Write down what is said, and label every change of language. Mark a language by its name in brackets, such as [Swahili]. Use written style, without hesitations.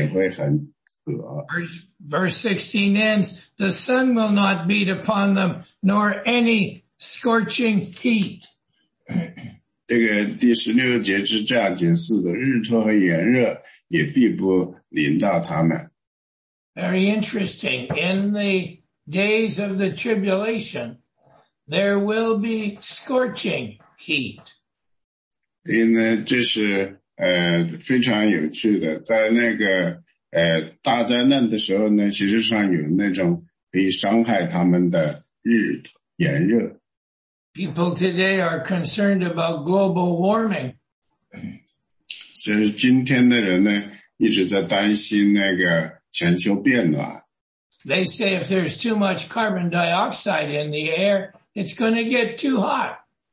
[Chinese] 所以在大灾难的时期呢，他们其实没有足够的食物来吃，所以他们在处在一种饥荒中，然后他们没有很干净的水喝，所以他们也会很渴。 [English] Verse 16 ends, the sun will not beat upon them, nor any scorching heat. [Chinese] 这个第十六节是这样解释的，日头和炎热也必不临到他们。 [English] Very interesting. In the days of the tribulation, there will be scorching heat. [Chinese] 因为这是非常有趣的，在那个大灾难的时候呢，其实上有那种可以伤害他们的炎热。 [English] People today are concerned about global warming. [Chinese] 其实今天的人呢，一直在担心那个。 [English] They say if there's too much carbon dioxide in the air, it's going to get too hot.